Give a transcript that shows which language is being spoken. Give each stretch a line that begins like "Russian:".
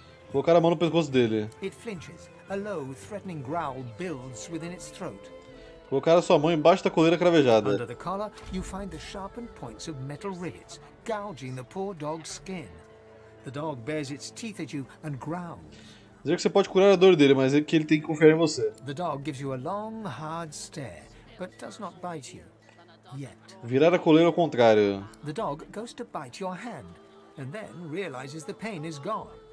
Portuguese: Colocaram a mão no pescoço dele.
English: It flinches. A low, threatening growl builds within its throat.
Portuguese: Colocaram sua mão embaixo da coleira cravejada.
English: Under the collar, you find the sharpened points of metal rivets, gouging the poor dog's skin. The dog bares its teeth at you and growls.
Portuguese: Dizer que você pode curar a dor dele, mas é que ele tem que confiar em você.
English: The dog gives you a long, hard stare, but does not bite you. Yet.
Portuguese: Virar a coleira ao contrário.
English: The dog goes to bite your hand, and then realizes the pain is gone.